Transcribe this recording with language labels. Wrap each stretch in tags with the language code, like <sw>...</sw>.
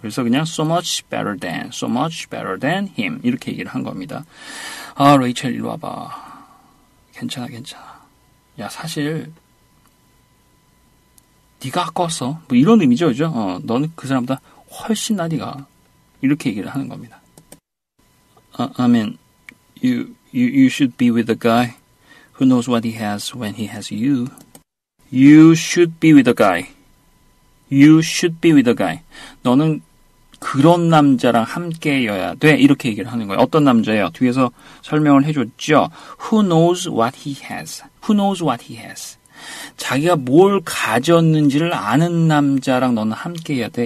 <ko>그래서 그냥</ko> <en>so much better than, so much better than him.</en> <ko>이렇게 얘기를 한 겁니다. 아, 레이첼, 이리 와봐. 괜찮아. 야, 사실, 네가 아까웠어. 뭐 이런 의미죠, 그죠? 넌 그 사람보다 훨씬 나 네가 이렇게 얘기를 하는 겁니다.</ko> <en>I mean, you should be with a guy who knows what he has when he has you. You should be with a guy. You should be with a guy.</en> <ko>너는 그런 남자랑 함께여야 돼. 이렇게 얘기를 하는 거예요. 어떤 남자예요? 뒤에서 설명을 해줬죠.</ko> <en>Who knows what he has? Who knows what he has?</en> <ko>자기가 뭘 가졌는지를 아는 남자랑 너는 함께해야 돼.</ko>